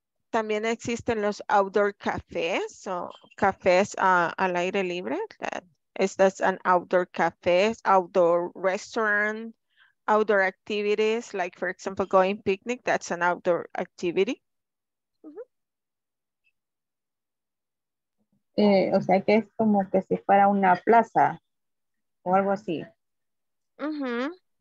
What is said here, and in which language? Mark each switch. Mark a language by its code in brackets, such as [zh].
[es] También existen los [en] outdoor cafés, so [es] cafés al aire libre. [en] That's an outdoor cafe, outdoor restaurant, outdoor activities, like for example, going picnic, that's an outdoor activity. Mm-hmm. [es] O sea que es como que si fuera una plaza o algo así. Mm-hmm.